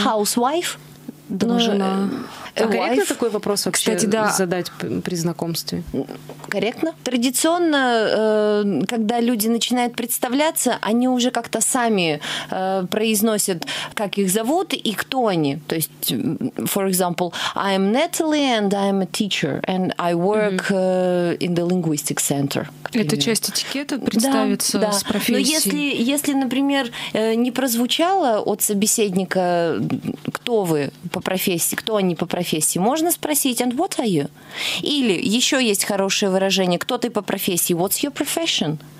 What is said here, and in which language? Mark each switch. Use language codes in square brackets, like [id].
[en] Housewife. [ru] Жена. Корректно такой вопрос вообще, кстати, да, задать при знакомстве? Корректно. Традиционно, когда люди начинают представляться, они уже как-то сами произносят, как их зовут и кто они. То есть, [en] for example, I'm Natalie and I'm a teacher and I work in the linguistic center. [ru] Это часть этикета, представиться, да, с профессией. Но если, например, не прозвучало от собеседника, кто вы по профессии, кто они по профессии, можно спросить, [en] and what are you? [ru] Или еще есть хорошее выражение, кто ты по профессии, [en] what's your profession?